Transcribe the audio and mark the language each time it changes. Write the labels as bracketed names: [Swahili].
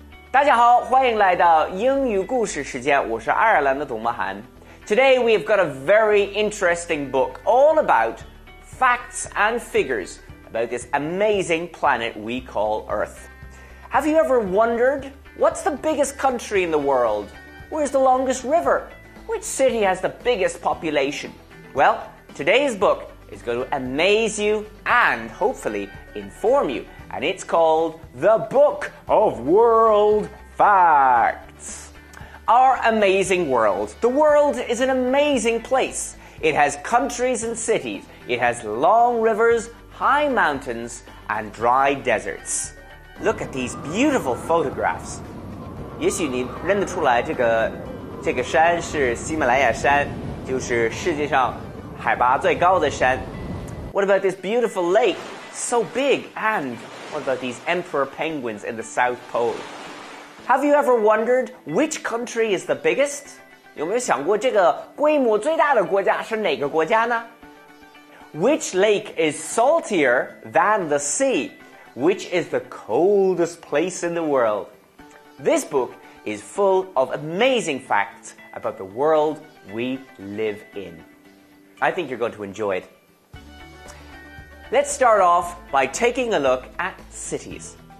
[Chinese] 大家好，欢迎来到英语故事时间，我是爱尔兰的董默涵。 [English] Today we've got a very interesting book all about facts and figures about this amazing planet we call Earth. Have you ever wondered, what's the biggest country in the world? Where's the longest river? Which city has the biggest population? Well, today's book is going to amaze you and hopefully inform you, and it's called The Book of World Facts. Our amazing world. The world is an amazing place. It has countries and cities. It has long rivers, high mountains, and dry deserts. Look at these beautiful photographs. [Chinese] 也许你认得出来这个山是喜马拉雅山，就是世界上海拔最高的山。 [English] What about this beautiful lake? So big. And what about these emperor penguins in the South Pole? Have you ever wondered which country is the biggest? [Chinese] 有没有想过这个规模最大的国家是哪个国家呢？ [English] Which lake is saltier than the sea? Which is the coldest place in the world? This book is full of amazing facts about the world we live in. I think you're going to enjoy it. Let's start off by taking a look at cities.